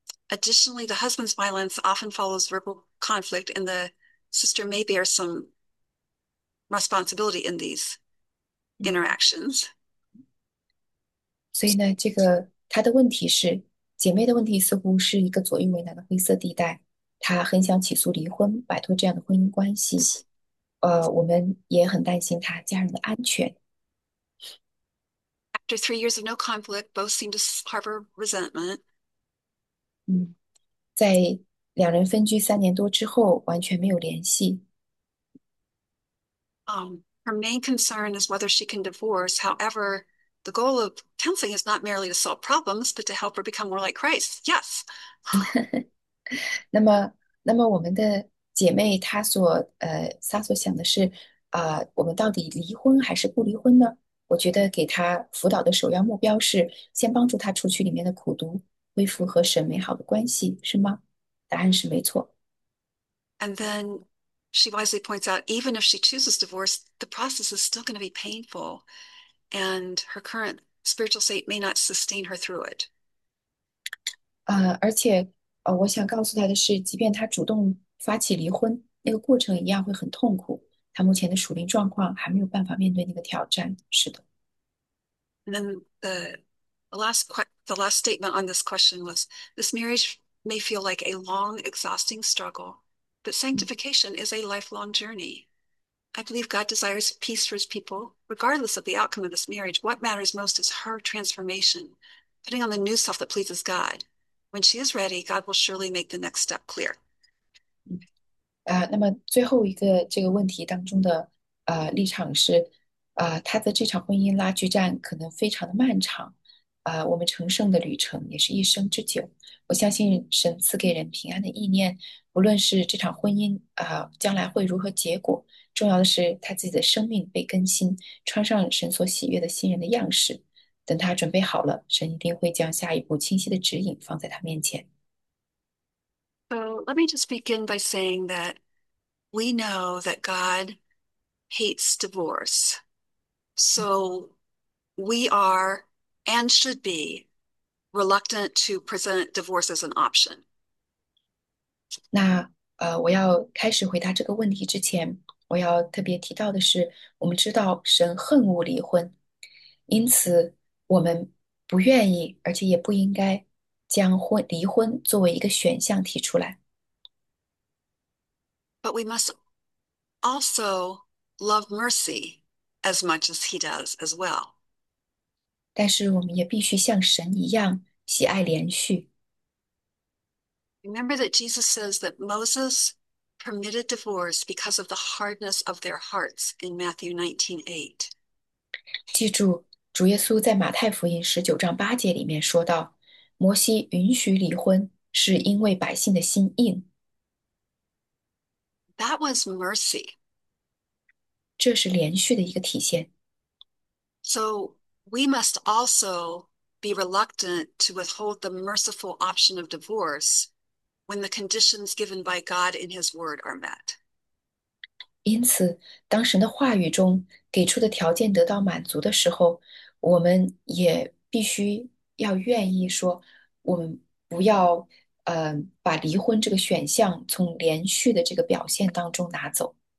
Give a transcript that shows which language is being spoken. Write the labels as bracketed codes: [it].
[en] Additionally, the husband's violence often follows verbal conflict, and the sister may bear some responsibility in these interactions. [zh] 所以呢，这个她的问题是，姐妹的问题似乎是一个左右为难的灰色地带。她很想起诉离婚，摆脱这样的婚姻关系。我们也很担心她家人的安全。 [en] After 3 years of no conflict, both seem to harbor resentment. [zh] 在两人分居3年多之后，完全没有联系。 [en] Her main concern is whether she can divorce. However, the goal of counseling is not merely to solve problems, but to help her become more like Christ. Yes. [zh] 那么我们的姐妹她所想的是，我们到底离婚还是不离婚呢？我觉得给她辅导的首要目标是先帮助她除去里面的苦毒，恢复和神美好的关系，是吗？答案是没错。 [en] And then she wisely points out, even if she chooses divorce, the process is still going to be painful, and her current spiritual state may not sustain her through it. [zh] 而且，我想告诉他的是，即便他主动发起离婚，那个过程一样会很痛苦。他目前的属灵状况还没有办法面对那个挑战。是的。 [en] And then the last statement on this question was, this marriage may feel like a long, exhausting struggle. But sanctification is a lifelong journey. I believe God desires peace for his people, regardless of the outcome of this marriage. What matters most is her transformation, putting on the new self that pleases God. When she is ready, God will surely make the next step clear. [zh] 那么最后一个这个问题当中的立场是，他的这场婚姻拉锯战可能非常的漫长，我们成圣的旅程也是一生之久。我相信神赐给人平安的意念，无论是这场婚姻将来会如何结果，重要的是他自己的生命被更新，穿上神所喜悦的新人的样式。等他准备好了，神一定会将下一步清晰的指引放在他面前。 [en] So let me just begin by saying that we know that God hates divorce. So we are and should be reluctant to present divorce as an option. [zh] 那我要开始回答这个问题之前，我要特别提到的是，我们知道神恨恶离婚，因此我们不愿意，而且也不应该将离婚作为一个选项提出来。 [en] But we must also love mercy as much as he does as well. [zh] 但是我们也必须像神一样喜爱连续。 [en] Remember that Jesus says that Moses permitted divorce because of the hardness of their hearts in Matthew 19:8. [zh] 记住，主耶稣在马太福音19:8里面说到，摩西允许离婚是因为百姓的心硬。 [en] That was mercy. [zh] 这是连续的一个体现。 [en] So we must also be reluctant to withhold the merciful option of divorce when the conditions given by God in His Word are met. [zh] 因此，当神的话语中给出的条件得到满足的时候，我们也必须要愿意说，我们不要，把离婚这个选项从连续的这个表现当中拿走。